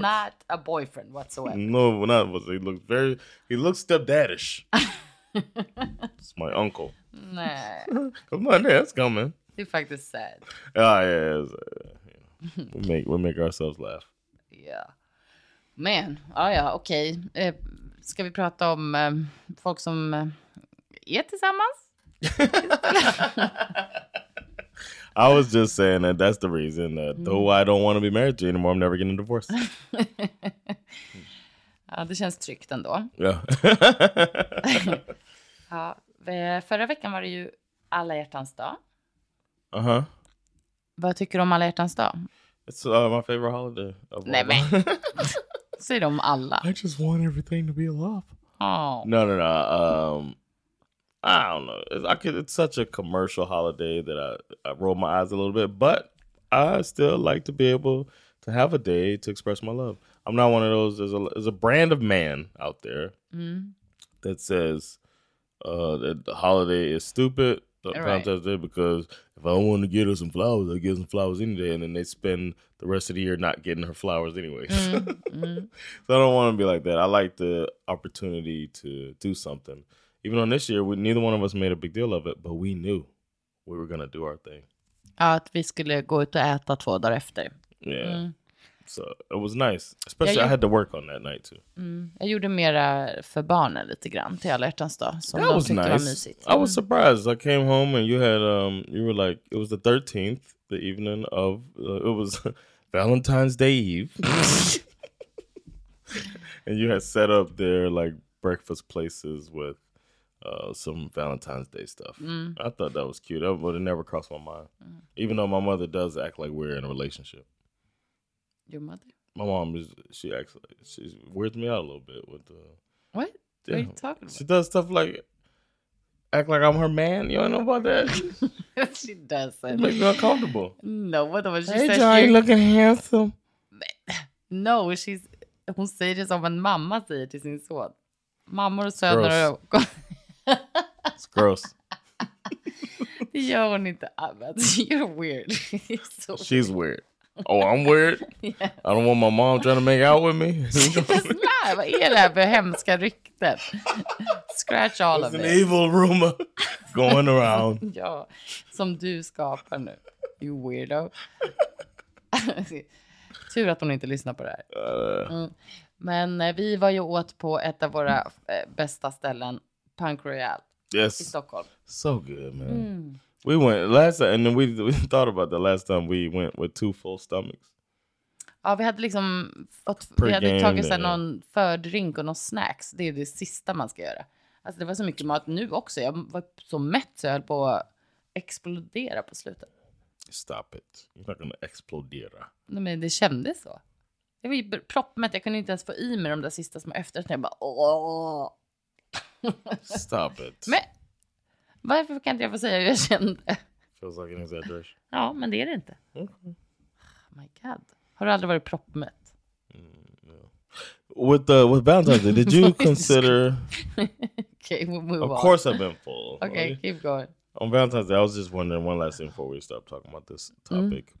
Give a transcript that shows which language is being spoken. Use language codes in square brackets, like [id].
[en] Not a boyfriend whatsoever. No, not whatsoever. He looks stepdaddish. It's my uncle. Nah. Come on, that's coming. The fact is sad. We make ourselves laugh. Yeah. [sv] Man, okej. Ska vi prata om folk som är tillsammans? [en] I was just saying that that's the reason that though I don't want to be married to you anymore, I'm never getting a divorce. [sv] Ja, det känns tryggt ändå. [en] Yeah. [sv] Ja. Förra veckan var det ju Alla hjärtans dag. Uh-huh. Vad tycker du om Alla hjärtans dag? [en] It's my favorite holiday. [sv] Nej, men. Säg dem alla. [en] I just want everything to be alive. Oh. No. I don't know. It's such a commercial holiday that I roll my eyes a little bit, but I still like to be able to have a day to express my love. I'm not one of those. There's a brand of man out there that says that the holiday is stupid, the Valentine's Day, because if I want to get her some flowers, I'll get some flowers any day, and then they spend the rest of the year not getting her flowers anyway. Mm-hmm. So I don't want to be like that. I like the opportunity to do something. Even on this year, neither one of us made a big deal of it, but we knew we were going to do our thing. [sv] Ja, att vi skulle gå ut och äta två dagar efter. [en] Yeah. Mm. So it was nice. Especially I had to work on that night too. Mm. [sv] Jag gjorde mera för barnen lite grann till Alla Hjärtans dag. [en] Som that was nice. I was surprised. I came home and you had, you were like, it was the 13th, the evening of, it was Valentine's Day Eve. And you had set up their like breakfast places with some Valentine's Day stuff. Mm. I thought that was cute, but it never crossed my mind. Mm. Even though my mother does act like we're in a relationship. Your mother? My mom is. She acts like she weirds me out a little bit with the. What? Yeah, what are you talking about? She does stuff like act like I'm her man. You don't know about that. She doesn't. It makes me uncomfortable. No, what the fuck? Hey, John, you looking handsome? No, she's. [sv] Hon säger det som en mamma säger till sin son. Mammor och söner. [en] It's gross. [sv] Det gör hon inte annat. [en] You're weird. She's weird. Oh, I'm weird? Yeah. I don't want my mom trying to make out with me. [sv] Nej, vad är det här för hemska rykten? [en] Scratch all it's of it. It's an evil rumor going around. [sv] Ja, som du skapar nu. [en] You weirdo. [sv] Tur att hon inte lyssnar på det här. Men vi var ju åt på ett av våra bästa ställen, Punk Royale. [en] Yes. [sv] I Stockholm. [en] So good, man. Mm. We went last time, and then we thought about the last time we went with two full stomachs. [sv] Ja, vi hade liksom fått, vi hade tagit sig någon fördrink och någon snacks. Det är det sista man ska göra. Alltså det var så mycket mat nu också. Jag var så mätt så jag höll på att explodera på slutet. [en] Stop it. You're not gonna explodera. [sv] Nej, men det kändes så. Jag var ju proppmätt. Jag kunde inte ens få i mig de där sista små efterrätten. Jag bara, åh. [en] Stop it. [sv] Men, varför kan inte jag få säga hur jag kände? [en] Feels like an exaggeration. [sv] Ja, men det är det inte. Mm-hmm. [en] Oh my god. [sv] Har du aldrig varit proppmätt? [en] No. With Valentine's Day, did you consider... Okay, we'll move of on. Of course I've been full. Okay, keep going. On Valentine's Day, I was just wondering one last thing before we stop talking about this topic. Mm.